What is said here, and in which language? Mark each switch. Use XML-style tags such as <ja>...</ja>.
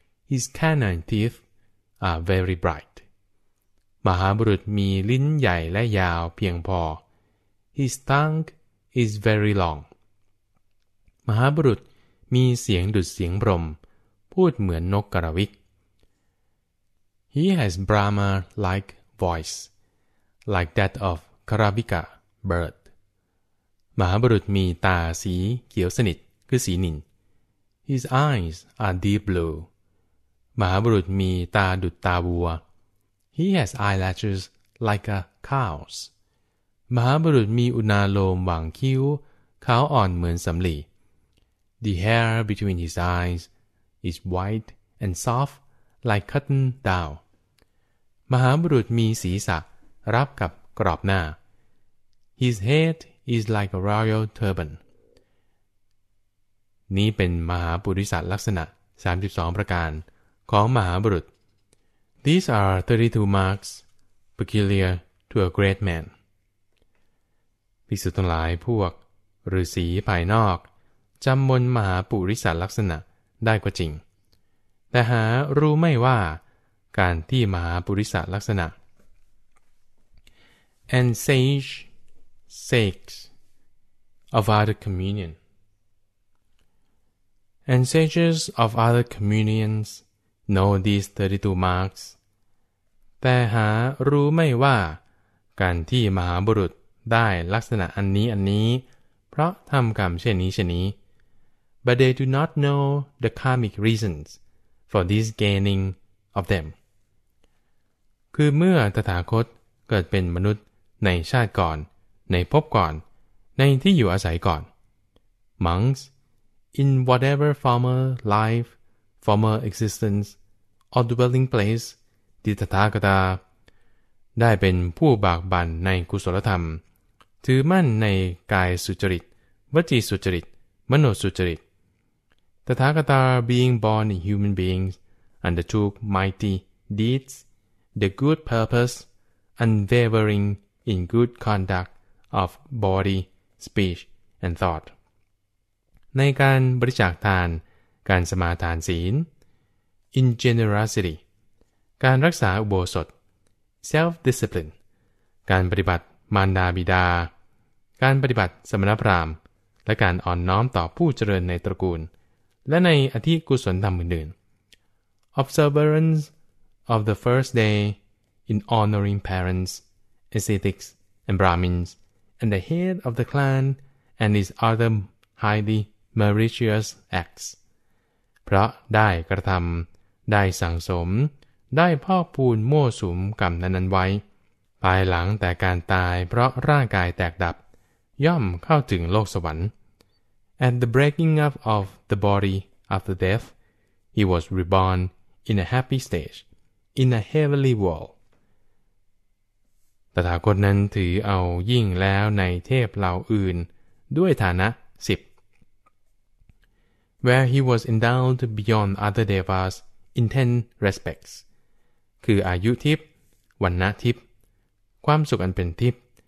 <en>His canine teeth are very bright.</en> <th>มหาบุรุษมีลิ้นใหญ่และยาวเพียงพ</th> <en>อ His tongue is very long.</en> <th>มหาบุรุษมีเสียงดุจเสียงบรมพูดเหมือนนกกระวิก</th> <en>He has Brahma-like voice, like that of Karavika bird.</en> <th>มหาบุรุษมีตาสีเขียวสนิทคือสีนิล</th> <en>His eyes are deep blue.</en> <th>มหาบุรุษมีตาดุจตาวัว</th> <en>He has eyelashes like a cow's.</en> <th>มหาบุรุษมีอุณาโลมวางคิ้วขาวอ่อนเหมือนสำลี</th> <en>The hair between his eyes is white and soft like cotton down.</en> <th>มหาบุรุษมีศีรษะรับกับกรอบหน้า</th> <en>His head is like a royal turban.</en> <th>นี้เป็นมหาปุริสัทลักษณะ32ประการของมหาบุรุษ</th> <en>These are 32 marks peculiar to a great man.</en> <th>ภิกษุทั้งหลายพวกฤาษีภายนอกจำมนมหาปุริสัทลักษณะได้ก็จริงแต่หารู้ไม่ว่าการที่มหาปุริสัทลักษณะ</th> <en>And sage sakes of other communionAnd sages of other communions know these 32 marks.</en> <th>แต่หารู้ไม่ว่าการที่มหาบุรุษได้ลักษณะอันนี้อันนี้เพราะทำกรรมเช่นนี้เช่นนี้</th> <en>But they do not know the karmic reasons for this gaining of them.</en> <th>คือเมื่อตถาคตเกิดเป็นมนุษย์ในชาติก่อนในภพก่อนในที่อยู่อาศัยก่อน</th> <en>MonksIn whatever former life, former existence, or dwelling place,</en> <th>the Tathagata ได้เป็นผู้บากบั่นในกุศลธรรมถือมั่นในกายสุจริตวจีสุจริตมโนสุจริต</th> <en>Tathagata being born in human beings undertook mighty deeds, the good purpose, unwavering in good conduct of body, speech, and thought</en> <th>ในการบริจาคทานการสมาทานศีล</th> <en>in generosity</en> <th>การรักษาอุโบสถ</th> <en>self discipline</en> <th>การปฏิบัติมารดาบิดาการปฏิบัติสมณพราหมณ์และการอ่อนน้อมต่อผู้เจริญในตระกูลและในอธิกุศลธรรมอื่น</th> <en>ๆ observance of the first day in honoring parents ascetics and brahmins and the head of the clan and his otherhighly meritorious acts.</en> <th>เพราะได้กระทำได้สั่งสมได้พอกพูนมั่วสุมกรรมนั้นๆไว้ภายหลังแต่การตายเพราะร่างกายแตกดับย่อมเข้าถึงโลกสวรรค์</th> <en>And the breaking up of the body after death, he was reborn in a happy stage, in a heavenly world.</en> <th>ตถาคตนั้นถือเอายิ่งแล้วในเทพเหล่าอื่นด้วยฐานะ10</th> <en>where he was endowed beyond other devas in 10 respects</en> <th>คืออายุทิพย์วรรณทิพย์ความสุขอันเป็นทิพย์</th>